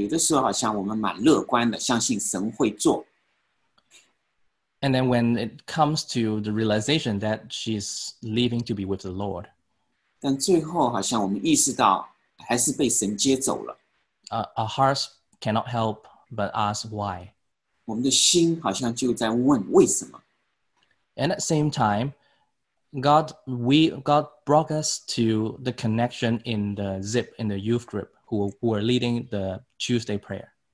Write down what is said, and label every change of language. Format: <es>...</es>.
<zh>我们这个祷告也是上上下下，有的时候好像我们蛮乐观的，相信神会做。</zh> <en>And then when it comes to the realization that she's leaving to be with the Lord,</en> <zh>但最后好像我们意识到还是被神接走了。</zh> <en>Our hearts cannot help but ask why.</en> <zh>我们的心好像就在问为什么。</zh> <en>And at the same time, God brought us to the connection in the ZIP, in the youth group, who were leading the Tuesday prayer.</en>